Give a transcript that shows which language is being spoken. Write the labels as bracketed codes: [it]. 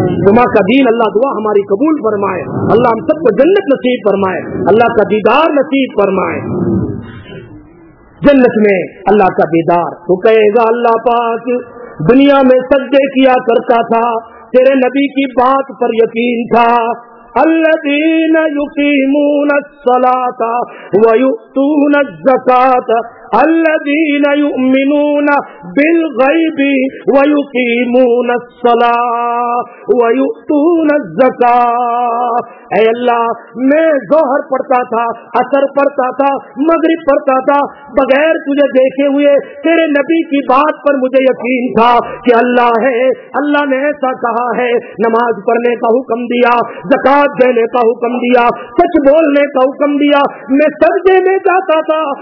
[ur] جمعہ کا دین اللہ دعا ہماری قبول فرمائے, اللہ ہم سب کو جنت نصیب فرمائے, اللہ کا دیدار نصیب فرمائے جنت میں. اللہ کا دیدار تو کہے گا اللہ پاک دنیا میں سجدے کیا کرتا تھا تیرے نبی کی بات پر یقین تھا, [ar] الذين يقيمون الصلاة ويؤتون الزكاة الذين يؤمنون بالغيب ويقيمون الصلاة ويؤتون الزكاة. [ur] اے اللہ میں ظہر پڑھتا تھا، عصر پڑھتا تھا، مغرب پڑھتا تھا بغیر تجھے دیکھے ہوئے، تیرے نبی کی بات پر مجھے یقین تھا کہ اللہ ہے، اللہ نے ایسا کہا ہے، نماز پڑھنے کا حکم دیا، زکات دینے کا حکم دیا، سچ بولنے کا حکم دیا، میں سجدے میں جاتا تھا